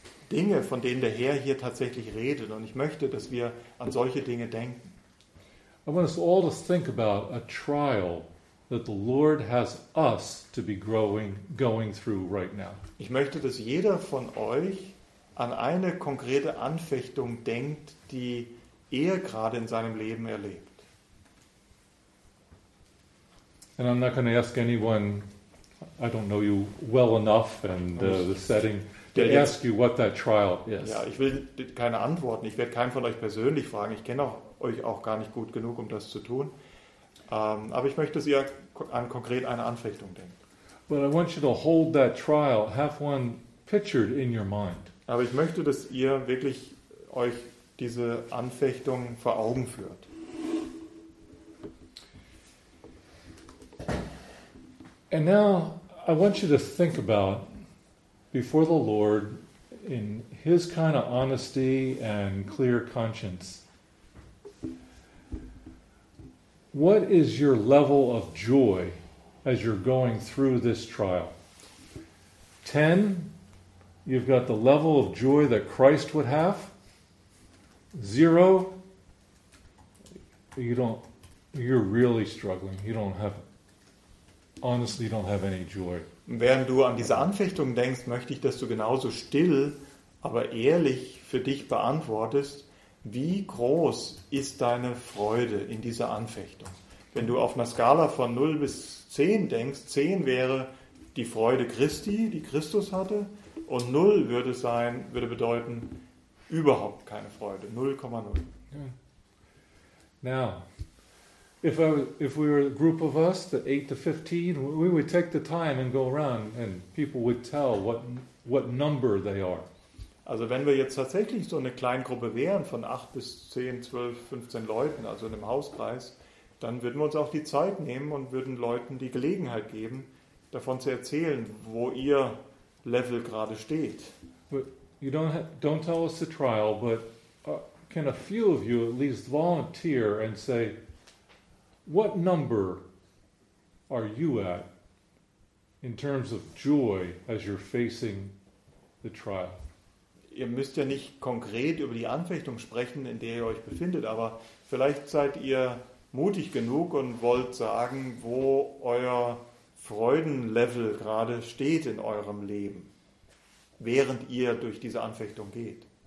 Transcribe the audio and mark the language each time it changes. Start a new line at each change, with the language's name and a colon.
German: Dinge, von denen der Herr hier tatsächlich redet, und ich möchte, dass wir an solche Dinge denken.
English: I want us all to think about a trial that the Lord has us to be going through right now.
German: Ich möchte, dass jeder von euch an eine konkrete Anfechtung denkt, die er gerade in seinem Leben erlebt.
English: And I'm not going to ask anyone, I don't know you well enough and the setting, to ask you what that trial is.
German: Ja, ich will keine Antworten. Ich werde keinen von euch persönlich fragen. Ich kenne euch auch gar nicht gut genug, um das zu tun. Aber ich möchte, dass ihr an konkret eine Anfechtung denkt.
English: But I want you to hold that trial, have one pictured in your mind.
German: Aber ich möchte, dass ihr wirklich euch diese Anfechtung vor Augen führt.
English: And now I want you to think about before the Lord in his kind of honesty and clear conscience. What is your level of joy as you're going through this trial? 10, you've got the level of joy that Christ would have. 0, you're really struggling. You don't have honestly don't have any joy.
German: Während du an diese Anfechtung denkst, möchte ich, dass du genauso still, aber ehrlich für dich beantwortest, wie groß ist deine Freude in dieser Anfechtung? Wenn du auf einer Skala von 0 bis 10 denkst, 10 wäre die Freude Christi, die Christus hatte, und 0 würde bedeuten überhaupt keine Freude, 0,0.
English: Yeah. Now, if we were a group of us, the 8 to 15, we would take the time and go around and people would tell what number they are.
German: Also wenn wir jetzt tatsächlich so eine Kleingruppe wären von 8 bis 10, 12, 15 Leuten, also in einem Hauskreis, dann würden wir uns auch die Zeit nehmen und würden Leuten die Gelegenheit geben, davon zu erzählen, wo ihr Level gerade steht.
English: But you don't tell us the trial, but can a few of you at least volunteer and say, what number are you at in terms of joy as you're facing the trial?
German: Ihr müsst ja nicht konkret über die Anfechtung sprechen, in der ihr euch befindet, aber vielleicht seid ihr mutig genug und wollt sagen, wo euer Freudenlevel gerade steht in eurem Leben, während ihr durch diese Anfechtung geht.